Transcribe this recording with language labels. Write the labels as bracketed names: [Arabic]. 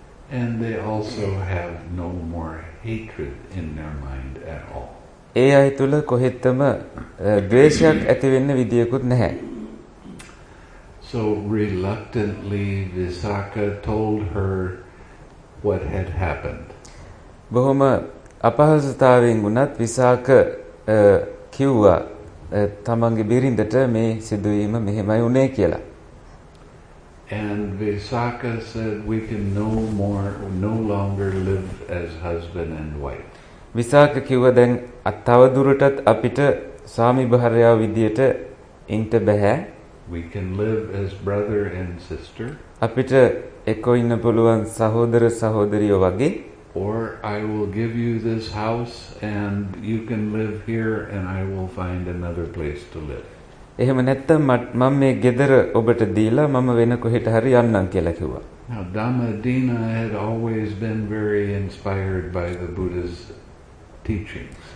[English] And they also have no more hatred in their mind at all. [Sinhala] E ay tula kohettama dveshayak athi wenna vidiyakut neha. [English] So reluctantly Visakha told her what had happened. [Sinhala] බොහොම අපහසුතාවයෙන් වුණත් විසාක කිව්වා තමන්ගේ බිරිඳට මේ සිදුවීම මෙහෙමයි වුණේ කියලා. [English] And Visakha said we can no longer live as husband and wife. [Sinhala] Visakha කිව්වා දැන් තවදුරටත් අපිට ස්වාමි භාර්යාව විදියට ඉන්න බෑ. [English] We can live as brother and sister. [Sinhala] අපිට එකෝ ඉන්න පුළුවන් සහෝදර සහෝදරියෝ වගේ. [English] Or I will give you this house and you can live here and I will find another place to live. [Sinhala] එහෙම නැත්තම් මම මේ ගෙදර ඔබට දීලා මම වෙන කොහෙට හරි යන්නම් කියලා කිව්වා. [English] Now Dhammadina had always been very inspired by the Buddha's teachings.